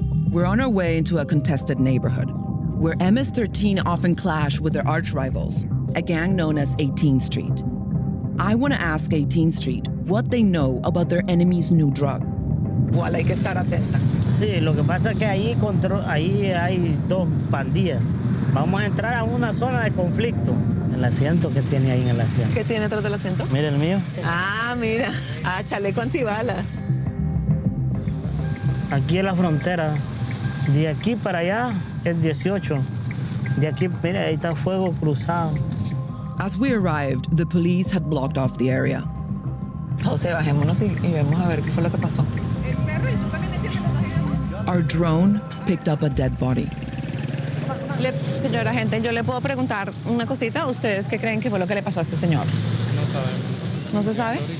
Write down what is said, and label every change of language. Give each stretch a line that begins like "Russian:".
English: We're on our way into a contested neighborhood, where MS-13 often clash with their arch rivals, a gang known as 18th Street. I want to ask 18th Street what they know about their enemy's new drug.
Spanish: Well, hay que estar atenta. Sí, lo que pasa es que ahí hay dos pandillas. Vamos a entrar a una zona de conflicto. El asiento que tiene ahí en el asiento. ¿Qué tiene atrás del asiento? Mira el mío. Ah, mira. Ah, chaleco antibalas. Aquí es la frontera. De aquí para allá es 18. De aquí, mira, ahí está fuego cruzado.
English: As we arrived, the police had blocked off the area.
Spanish: José, bajémonos y vemos a ver qué fue lo que pasó.
English: Our drone picked up a dead body.
Spanish: Señor agente, yo le puedo preguntar una cosita. ¿Ustedes qué creen que fue lo que le pasó a este señor? No sabemos. ¿No se sabe?